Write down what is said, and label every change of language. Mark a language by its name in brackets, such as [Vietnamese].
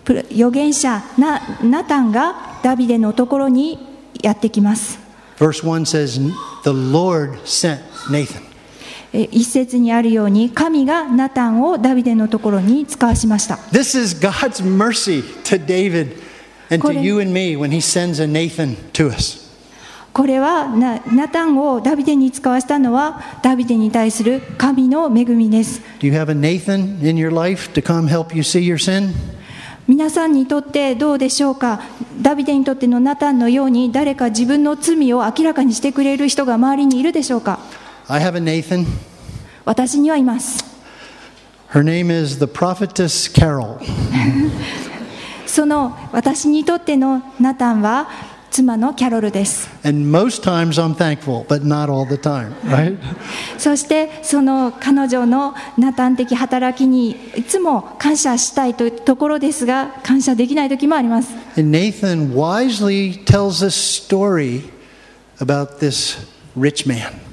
[Japanese] 預言者ナタンがダビデのところにやってきます。 [English] Verse 1 says the Lord sent Nathan. [Japanese] 一節にあるように神がナタンをダビデのところに使わしました。 [English] This is God's mercy to DavidAnd to you and me when he sends a Nathan to us. [Japanese] これはナタンをダビデに使わせたのはダビデに対する神の恵みです。 [English] Do you have a Nathan in your life to come help you see your sin? [Japanese] 皆さんにとってどうでしょうか。ダビデにとってのナタンのように誰か自分の罪を明らかにしてくれる人が周りにいるでしょうか。 [English] I have a Nathan. [Japanese] 私にはいます。 [English] Her name is the prophetess Carol. [Japanese] その私にとってのナタンは妻のキャロルです。 [English] And most times I'm thankful, but not all the time, right? [Japanese] そしてその彼女のナタン的働きにいつも感謝したいというところですが、感謝できない時もあります。 [English] And Nathan wisely tells a story about this rich man.